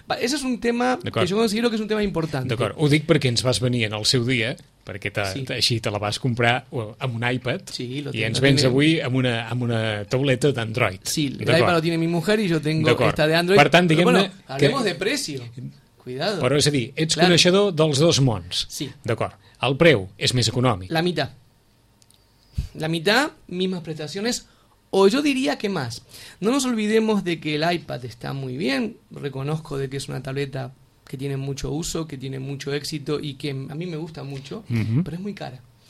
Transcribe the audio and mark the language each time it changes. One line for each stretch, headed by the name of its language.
Spanish: Ese es un tema que yo considero que es un tema importante.
Catalan: D'acord. Ho dic perquè ens vas venir en el seu dia, perquè així te la vas comprar amb un iPad, sí, i ens vens avui amb una tableta d'Android.
Spanish: Sí, l'iPad lo tiene mi mujer y yo tengo esta de Android.
Catalan: Per tant, diguem-ne,
Spanish: bueno, hablemos de precio. Cuidado.
Catalan: Però és a dir, ets coneixedor dels dos mons.
Spanish: Sí.
Catalan: D'acord. El preu és més econòmic.
Spanish: La mitad. La mitad, mismas prestaciones, o yo diría que más. No nos olvidemos de que el iPad está muy bien. Reconozco de que es una tableta que tiene mucho uso, que tiene mucho éxito y que a mí me gusta mucho, pero es muy cara.